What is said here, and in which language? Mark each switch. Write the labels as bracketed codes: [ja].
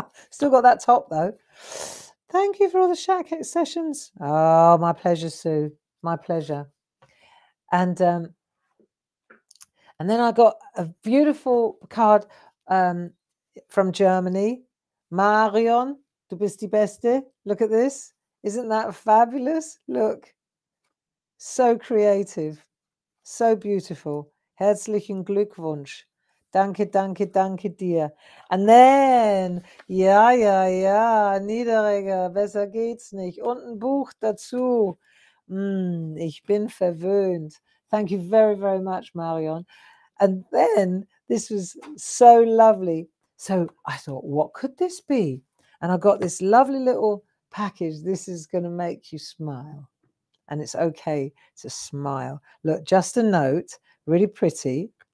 [en] Still got that top though. Thank you for all the Shack sessions. Oh, my pleasure, Sue. My pleasure. And then I got a beautiful card from Germany. [de] Marion, du bist die Beste. [en] Look at this. Isn't that fabulous? Look, so creative. So beautiful. [de] Herzlichen Glückwunsch. Danke, danke, danke dir. [en] And then, [de] ja, ja, ja, Niederreger, besser geht's nicht. Und ein Buch dazu. Ich bin verwöhnt. [en] Thank you very, very much, Marion. And then, this was so lovely. So I thought, what could this be? And I got this lovely little package. This is going to make you smile. And it's okay to smile. Look, just a note, really pretty.